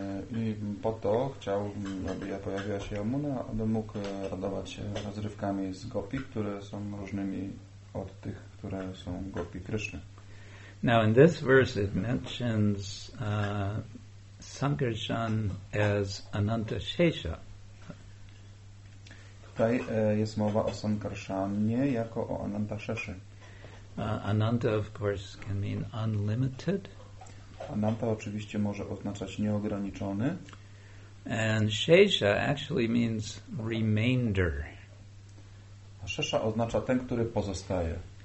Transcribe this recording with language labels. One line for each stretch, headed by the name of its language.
Polish: I po to chciał, aby ja pojawiła się Yamuna, aby mógł radować się rozrywkami z gopi, które są różnymi od tych, które są gopi Krishna.
English: Now in this verse it mentions Sankarsan as Anantashesha.
Polish: Tutaj jest mowa o Sankarsanie jako o Anantasheshe.
English: Ananta of course can mean unlimited.
Polish: Ananta oczywiście może oznaczać nieograniczony.
English: And shesha actually means remainder.
Polish: A shesha oznacza ten, który pozostaje.